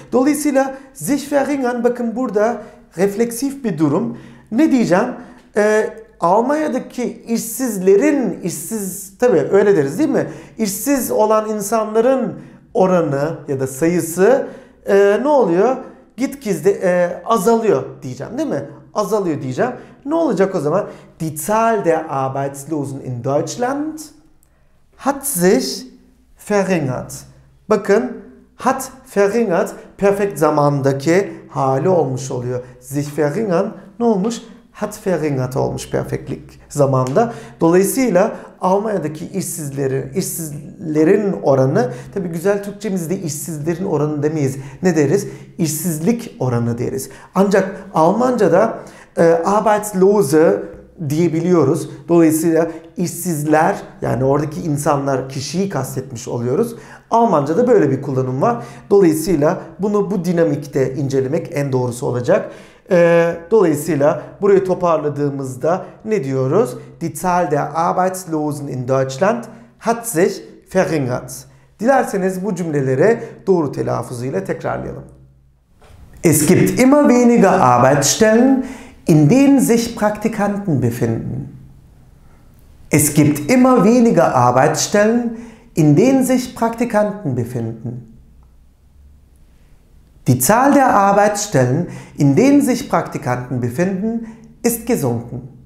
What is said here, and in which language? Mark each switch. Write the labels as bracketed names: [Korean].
[Turkish] Dolayısıyla [German] sich verringern [Turkish] bakın burada refleksif bir durum. Ne diyeceğim? Almanya'daki işsizlerin, işsiz tabii öyle deriz değil mi? İşsiz olan insanların oranı ya da sayısı ne oluyor? Gitgide azalıyor diyeceğim değil mi? Azalıyor diyeceğim. Ne olacak o zaman? [German] Die Zahl der Arbeitslosen in Deutschland hat sich verringert. [Turkish] Bakın, [German] hat verringert, [Turkish] perfekt zamandaki hali olmuş oluyor. [German] Sich verringern [Turkish] ne olmuş? [German] Hat verringert [Turkish] olmuş perfektlik zamanda. Dolayısıyla Almanya'daki işsizlerin oranı, tabii güzel Türkçemizde işsizlerin oranı demeyiz. Ne deriz? İşsizlik oranı deriz. Ancak Almanca'da Arbeitslose diyebiliyoruz. Dolayısıyla işsizler, yani oradaki insanlar, kişiyi kastetmiş oluyoruz. Almanca'da böyle bir kullanım var. Dolayısıyla bunu bu dinamikte incelemek en doğrusu olacak. Dolayısıyla burayı toparladığımızda ne diyoruz? [German] Die Zahl der Arbeitslosen in Deutschland hat sich verringert. [Turkish] Dilerseniz bu cümleleri doğru telaffuzuyla tekrarlayalım. [German] Es gibt immer weniger Arbeitsstellen, in denen sich Praktikanten befinden. Es gibt immer weniger Arbeitsstellen, in denen sich Praktikanten befinden. Die Zahl der Arbeitsstellen, in denen sich Praktikanten befinden, ist gesunken.